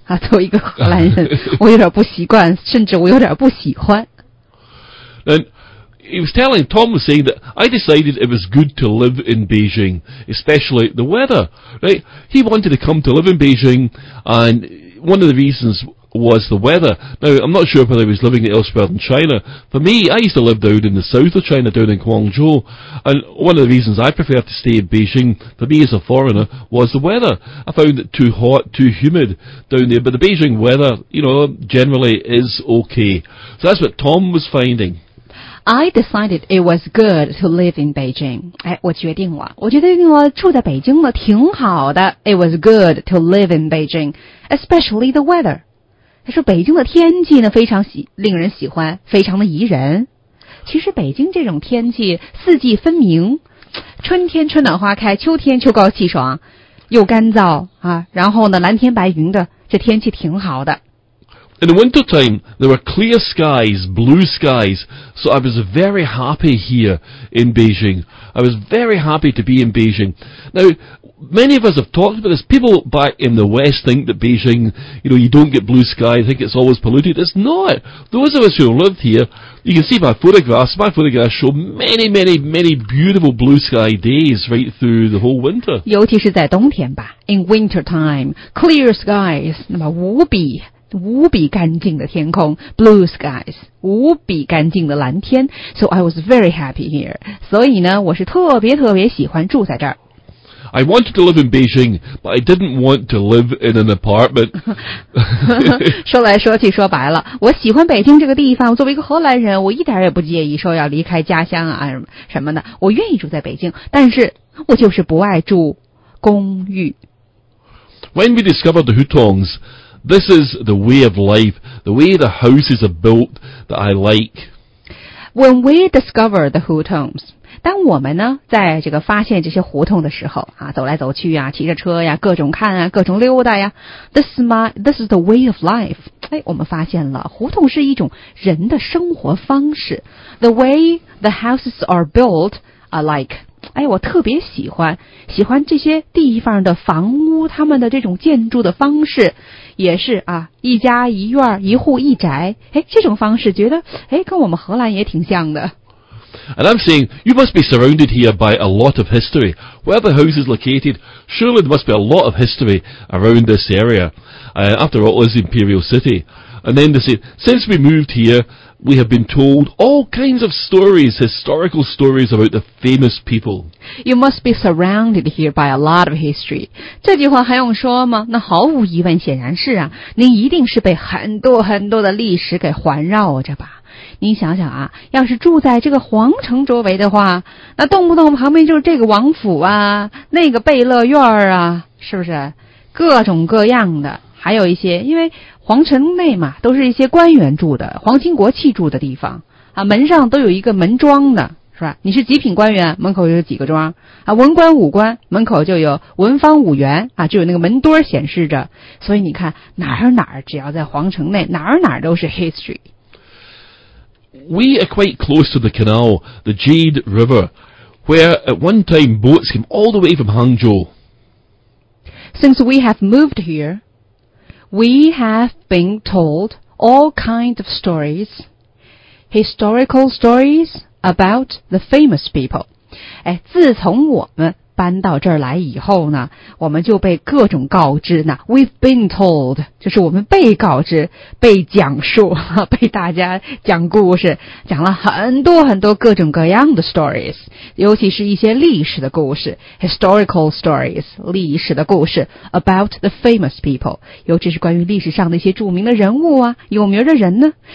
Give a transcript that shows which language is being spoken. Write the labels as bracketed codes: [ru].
[zh] 啊，作为一个荷兰人，我有点不习惯，甚至我有点不喜欢。 [en] Tom was saying that I decided it was good to live in Beijing, especially the weather, right? He wanted to come to live in Beijing, and one of the reasons was the weather. Now, I'm not sure whether he was living elsewhere in China. For me, I used to live down in the south of China, down in Guangzhou, and one of the reasons I preferred to stay in Beijing, for me as a foreigner, was the weather. I found it too hot, too humid down there, but the Beijing weather, you know, generally is okay. So that's what Tom was finding. I decided it was good to live in Beijing. [zh] 哎，我决定了，我觉得我住在北京了，挺好的。 [en] It was good to live in Beijing, especially the weather. [zh] 他说北京的天气呢，非常令人喜欢，非常的宜人。其实北京这种天气，四季分明，春天春暖花开，秋天秋高气爽，又干燥啊，然后呢，蓝天白云的，这天气挺好的。 [en] In the winter time, there were clear skies, blue skies, so I was very happy here in Beijing. I was very happy to be in Beijing. Now, many of us have talked about this. People back in the West think that Beijing, you know, you don't get blue sky, think it's always polluted. It's not. Those of us who lived here, you can see my photographs show many, many, many beautiful blue sky days right through the whole winter. [zh] 尤其是在冬天吧 [en] in winter time, clear skies, [zh] 那么无比无比干净的天空 [en] blue skies, [zh] 无比干净的蓝天 [en] so I was very happy here. [zh] 所以呢我是特别特别喜欢住在这儿。 [en] I wanted to live in Beijing, but I didn't want to live in an apartment. [zh] 说来说去说白了我喜欢北京这个地方作为一个荷兰人我一点也不介意说要离开家乡啊什么的我愿意住在北京但是我就是不爱住公寓。 [en] When we discovered the Hutongs,This is the way of life, the way the houses are built that I like. When we discover the Hutongs, [zh] 当我们呢在这个发现这些胡同的时候啊，走来走去啊，骑着车呀，各种看啊，各种溜达呀 [en] this is the way of life. [zh] 哎，我们发现了胡同是一种人的生活方式。 [en] The way the houses are built, I like. [zh] 哎，我特别喜欢这些地方的房屋，他们的这种建筑的方式。也是啊一家一院一户一宅诶这种方式觉得诶跟我们荷兰也挺像的。 [en] And I'm saying, you must be surrounded here by a lot of history. Where the house is located, surely there must be a lot of history around this area. After all, it's the Imperial City. And then they say, since we moved here, we have been told all kinds of stories, historical stories about the famous people. You must be surrounded here by a lot of history. [zh] 这句话还用说吗？那毫无疑问，显然是啊，您一定是被很多很多的历史给环绕着吧。您想想啊，要是住在这个皇城周围的话，那动不动旁边就是这个王府啊，那个贝勒院啊，是不是？各种各样的，还有一些，因为皇城内嘛，都是一些官员住的，皇亲国戚住的地方啊，门上都有一个门庄的，是吧？你是几品官员，门口就有几个庄啊，文官武官，门口就有文房武员啊，就有那个门墩显示着。所以你看，哪儿哪儿，只要在皇城内，哪儿哪儿都是 history。 [en] We are quite close to the canal, the Jade River, where at one time boats came all the way from Hangzhou. Since we have moved here, we have been told all kinds of stories, historical stories about the famous people. [zh] 哎，自从我们搬到这儿来以后呢，我们就被各种告知呢。 [en] We've been told, [zh] 就是我们被告知、被讲述、被大家讲故事，讲了很多很多各种各样的 stories, 尤其是一些历史的故事 , [en] historical stories, [zh] 历史的故事 , [en] about the famous people, [zh] 尤其是关于历史上的一些著名的人物啊，有名的人呢。